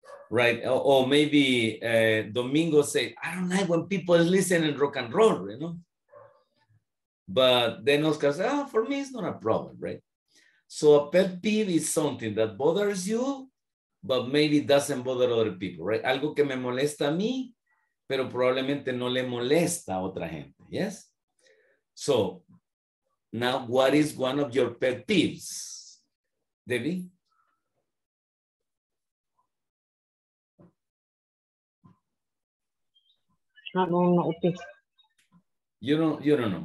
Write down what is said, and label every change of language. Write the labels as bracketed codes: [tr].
[en] Right, or maybe Domingo say, I don't like when people listen in rock and roll, you know? But then Oscar says, oh, for me, it's not a problem, right? So a pet peeve is something that bothers you, but maybe doesn't bother other people, right? [es] Algo que me molesta a mí, pero probablemente no le molesta a otra gente, yes? [en] So now what is one of your pet peeves, Debbie? You don't know,